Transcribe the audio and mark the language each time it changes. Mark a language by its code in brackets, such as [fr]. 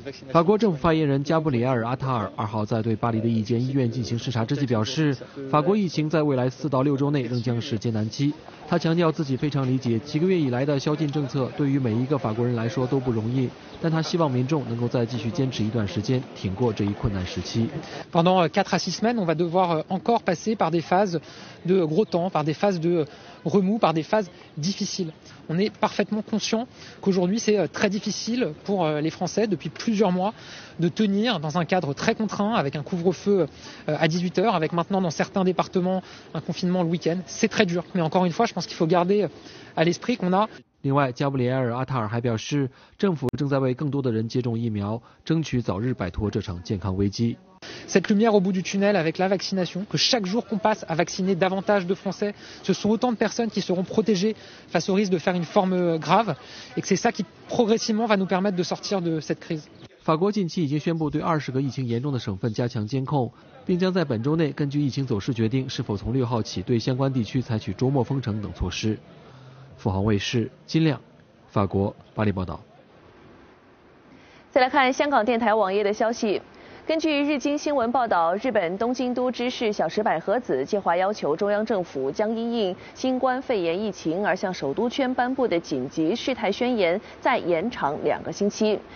[zh] 法国政府发言人加布里埃尔·阿塔尔2号在对巴黎的一间医院进行视察之际表示，法国疫情在未来4到6周内仍将是艰难期。他强调自己非常理解几个月以来的宵禁政策对于每一个法国人来说都不容易，但他希望民众能够再继续坚持一段时间，挺过这一困难时期。 [fr] Pendant 4 à 6 semaines, on va devoir encore passer par des phases de gros temps, par des phases de remous, par des phases difficiles. On est parfaitement conscient qu'aujourd'hui c'est très difficile pour les Français depuis plusieurs mois de tenir dans un cadre très contraint avec un couvre-feu à 18h, avec maintenant dans certains départements un confinement le week-end. C'est très dur, mais encore une fois, je pense qu'il faut garder à l'esprit qu'on a [zh] 另外，加布里埃尔·阿塔尔还表示，政府正在为更多的人接种疫苗，争取早日摆脱这场健康危机。 [fr] Cette lumière au bout du tunnel avec la vaccination, que chaque jour qu'on passe à vacciner davantage de Français, ce sont autant de personnes qui seront protégées face au risque de faire une forme grave, et que c'est ça qui progressivement va nous permettre de sortir de cette crise. [zh] 法国近期已经宣布对20个疫情严重的省份加强监控，并将在本周内根据疫情走势决定是否从6号起对相关地区采取周末封城等措施。阜杭卫视金亮，法国巴黎报道。再来看香港电台网页的消息。根据日经新闻报道，日本东京都知事小池百合子计划要求中央政府将因应新冠肺炎疫情而向首都圈颁布的紧急事态宣言再延长2个星期。